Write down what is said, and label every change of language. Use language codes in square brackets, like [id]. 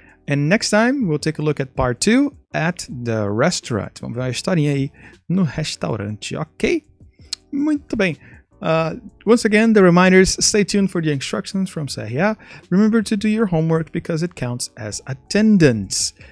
[en] And next time, we'll take a look at part 2, at the restaurant. [pt] Vamos ver uma historinha aí no restaurante, ok? Muito bem. [en] Once again, the reminders, stay tuned for the instructions from Sahia. Remember to do your homework because it counts as attendance.